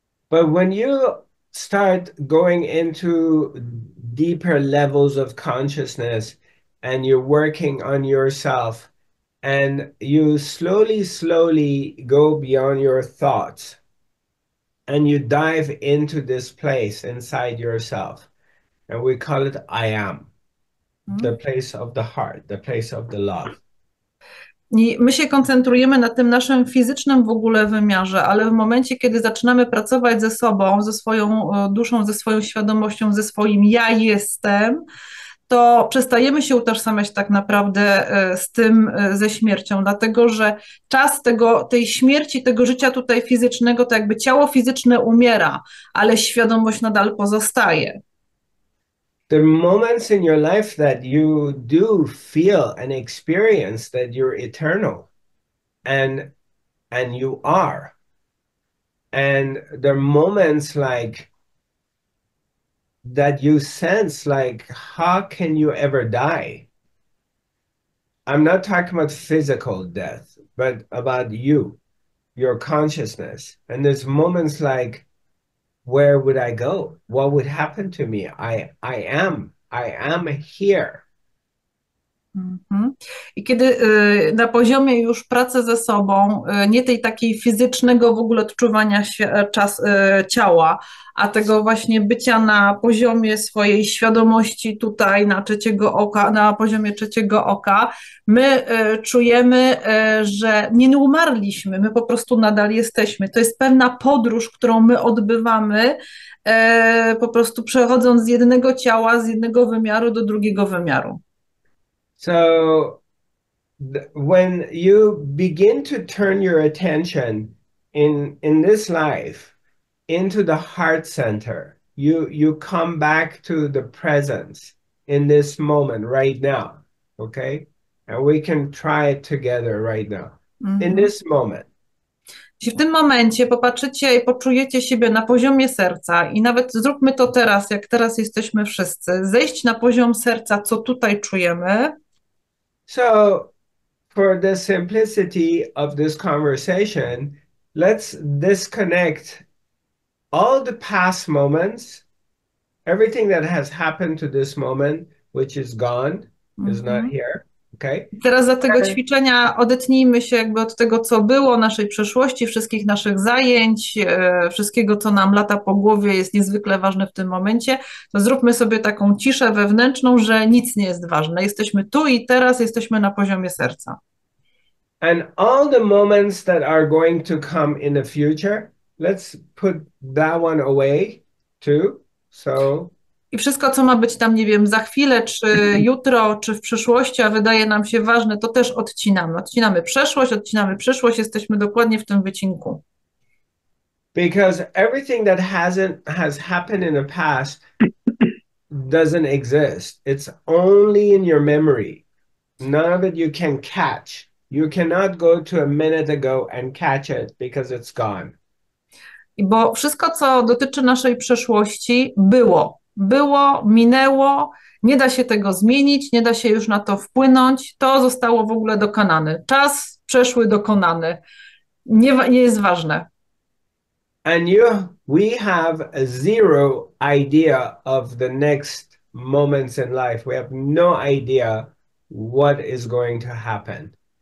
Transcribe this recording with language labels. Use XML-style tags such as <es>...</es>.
<en>But when you start going into deeper levels of consciousness and you're working on yourself and you slowly go beyond your thoughts and you dive into this place inside yourself, and we call it I am, the place of the heart, the place of the love.</en> <pl>I my się koncentrujemy na tym naszym fizycznym w ogóle wymiarze, ale w momencie, kiedy zaczynamy pracować ze sobą, ze swoją duszą, ze swoją świadomością, ze swoim ja jestem, to przestajemy się utożsamiać tak naprawdę z tym, ze śmiercią, dlatego że czas tej śmierci, tego życia tutaj fizycznego, to jakby ciało fizyczne umiera, ale świadomość nadal pozostaje.</pl> <en>The moments in your life that you do feel and experience that you're eternal and you are. And there are moments like that you sense like, how can you ever die? I'm not talking about physical death, but about you, your consciousness. And there's moments like, where would I go? What would happen to me? I am here.</en> <pl>I kiedy na poziomie już pracy ze sobą, nie tej takiej fizycznego w ogóle odczuwania ciała, a tego właśnie bycia na poziomie swojej świadomości tutaj, na trzeciego oka, na poziomie trzeciego oka, my czujemy, że nie umarliśmy, my po prostu nadal jesteśmy. To jest pewna podróż, którą my odbywamy, po prostu przechodząc z jednego ciała, z jednego wymiaru do drugiego wymiaru.</pl> <en>So, when you begin to turn your attention in this life into the heart center, you come back to the presence in this moment right now, okay? And we can try it together right now, in this moment.</en> <pl>Jeśli w tym momencie popatrzycie i poczujecie siebie na poziomie serca, i nawet zróbmy to teraz, jak teraz jesteśmy wszyscy, zejść na poziom serca, co tutaj czujemy.</pl> <en>So, for the simplicity of this conversation, let's disconnect all the past moments, everything that has happened to this moment, which is gone, is not here, okay?</en> <pl>Teraz do tego</pl> <en>And</en> <pl>ćwiczenia odetnijmy się jakby od tego, co było, naszej przeszłości, wszystkich naszych zajęć, wszystkiego, co nam lata po głowie, jest niezwykle ważne w tym momencie. To zróbmy sobie taką ciszę wewnętrzną, że nic nie jest ważne. Jesteśmy tu i teraz, jesteśmy na poziomie serca.</pl> <en>All the moments that are going to come in the future, let's put that one away too. So.</en> <pl>I wszystko, co ma być tam, nie wiem, za chwilę, czy jutro, czy w przyszłości, a wydaje nam się ważne, to też odcinamy. Odcinamy przeszłość, odcinamy przyszłość, jesteśmy dokładnie w tym wycinku.</pl> <en>Because everything that has happened in the past doesn't exist. It's only in your memory. None of it you can catch. You cannot go to a minute ago and catch it because it's gone.</en> <pl>Bo wszystko, co dotyczy naszej przeszłości, było. Było, minęło, nie da się tego zmienić, nie da się już na to wpłynąć. To zostało w ogóle dokonane. Czas przeszły dokonany. Nie jest ważne.</pl> <en>And we have zero idea of the next moments in life. We have no idea what is going to happen.</en>